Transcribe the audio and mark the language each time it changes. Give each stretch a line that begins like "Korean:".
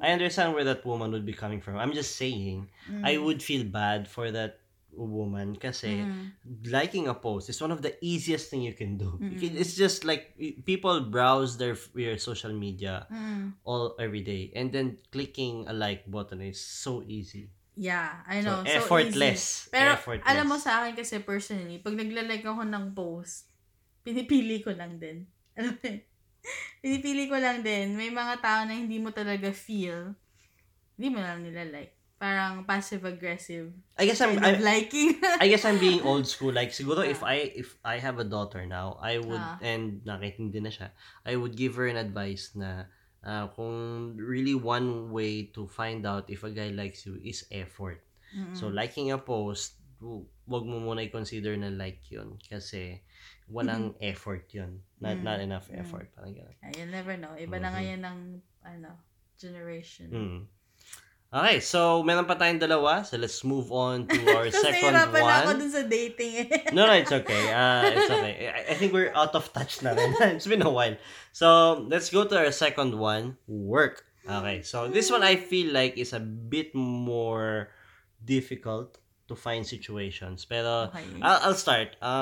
English: I understand where that woman would be coming from. I'm just saying, I would feel bad for that woman
Filipino: kasi
English: liking a post is one of the easiest thing you can do. It's just like, people browse their social media all every day. And then, clicking a like button is so easy. Yeah, I know. So effortless. So easy.
Filipino: Pero
English: effortless.
Filipino: Alam mo sa akin kasi personally, pag nag-like ako ng post, pinipili ko lang din. Pinipili ko lang din. May mga tao na hindi mo talaga feel, hindi mo lang nila like. Parang passive-aggressive.
English: I guess I'm kind of liking. I guess I'm being old school. Like,
Filipino: siguro
English: if I have a daughter now, I would, and
Filipino: nakikinig din na siya,
English: I would give her an advice
Filipino: na kung
English: really one way to find out if a guy likes you is effort. Mm-hmm. So, liking a post,
Filipino: wag mo muna i-consider na like yun. Kasi walang mm-hmm. effort yun.
English: Not enough effort.
Filipino: Mm-hmm. Parang gano'n.
English: You'll never know.
Filipino: Iba mm-hmm. na ngayon ng ano, generation. Mm-hmm.
English: Okay, so
Filipino: meron pa tayong dalawa.
English: So let's move on to our second one.
Filipino: Nahirapan na ako dun sa dating eh.
English: No, it's okay. It's okay. I think we're out of touch
Filipino: na rin.
English: It's been a while. So let's go to our second one, work. Okay, so this one I feel like is a bit more difficult to find situations.
Filipino: Pero
English: okay. I'll start.